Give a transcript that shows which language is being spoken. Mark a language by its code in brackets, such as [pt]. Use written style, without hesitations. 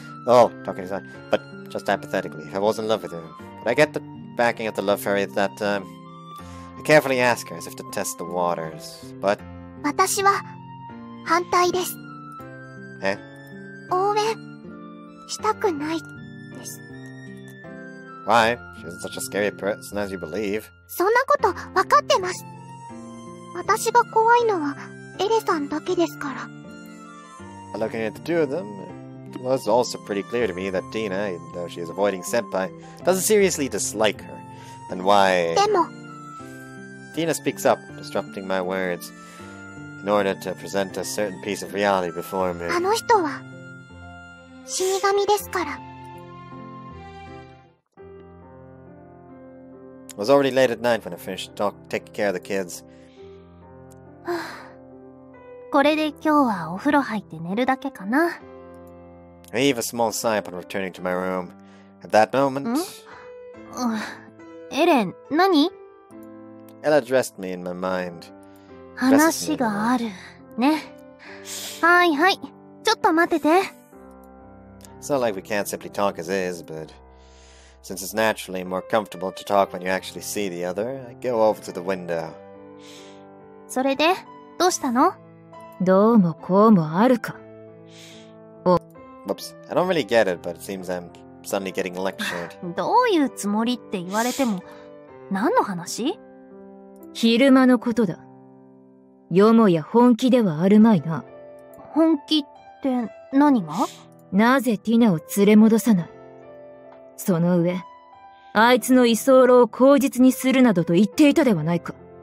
[en] Oh, talking aside, but just hypothetically, if I was in love with her, could I get the backing of the love fairy at that time? I carefully ask her as if to test the waters, but... [ja] 私は反対です。 [en] Eh? [ja] 応援したくないです。 [en] Why? She isn't such a scary person as you believe. [ja] そんなことわかってます。私が怖いのはエレさんだけですから。 [en] Looking at the two of them, it was also pretty clear to me that Tina, even though she is avoiding Senpai, doesn't seriously dislike her. Then why... [ja] でも... [en] Tina speaks up, disrupting my words, in order to present a certain piece of reality before me. [ja] あの人は死神ですから。 [en] It was already late at night when I finished taking care of the kids. [ja] これで今日はお風呂入って寝るだけかな。 [en] I gave a small sigh upon returning to my room. At that moment... [ja] エレン、何？ [en] Ella addressed me in my mind. [ja] 話がある、ね。はいはい、ちょっと待ってて。 [en] It's not like we can't simply talk as is, but... Since it's naturally more comfortable to talk when you actually see the other, I go over to the window. [ja] それで、どうしたの？どうもこうもあるか。 [en] Whoops, I don't really get it, but it seems I'm suddenly getting lectured. [ja] どういうつもりって言われても、何の話？昼間のことだ。よもや本気ではあるまいな。本気って何が？なぜティナを連れ戻さない？その上、あいつの居候を口実にするなどと言っていたではないか。